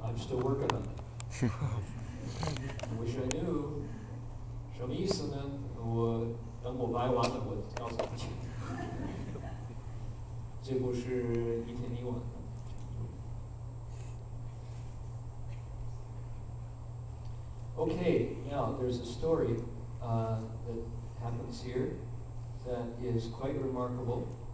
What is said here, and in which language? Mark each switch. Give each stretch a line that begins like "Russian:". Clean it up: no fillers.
English: I'm still working on it. I wish I knew.
Chinese: 什么意思呢? 等我拜完了，我告诉你。结果是一天一晚。
English: Okay, now there's a story that happens here that is quite remarkable.